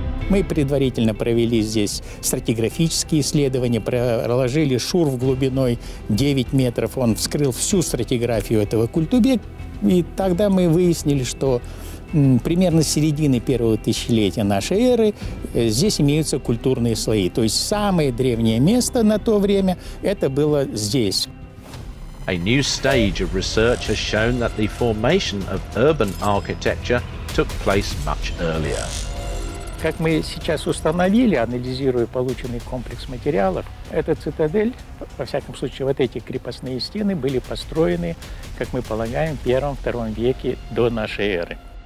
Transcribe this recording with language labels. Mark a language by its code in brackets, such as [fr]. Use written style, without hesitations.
[ru] Мы предварительно провели здесь стратиграфические исследования, проложили шурф глубиной 9 метров. Он вскрыл всю стратиграфию этого Культубе, и тогда мы выяснили, что примерно с середины первого тысячелетия нашей эры здесь имеются культурные слои. То есть самое древнее место на то время – это было здесь. [en] A new stage of research has shown that the formation of urban architecture took place much earlier. [ru] Как мы сейчас установили, анализируя полученный комплекс материалов, эта цитадель, во всяком случае, вот эти крепостные стены были построены, как мы полагаем, в первом-втором веке до нашей эры.